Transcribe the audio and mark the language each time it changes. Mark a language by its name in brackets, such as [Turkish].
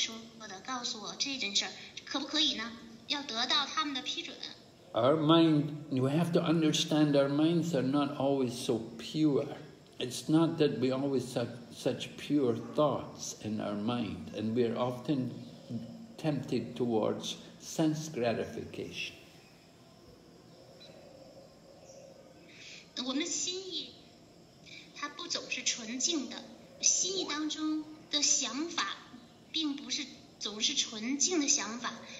[Chinese] 所以要永远得到咕噜萨杜萨舍的证实，你可以告诉他们，就是得到他们这些权威的建议，你可以跟他们说，我的心意是这样跟我说的，告诉我这件事，可不可以呢？要得到他们的批准。 [English] Our mind, we have to understand our minds are not always so pure. It's not that we always have such pure thoughts in our mind, and we are often tempted towards sense gratification. [Chinese] 我们的心意它不总是纯净的，心意当中的想法并不是总是纯净的想法。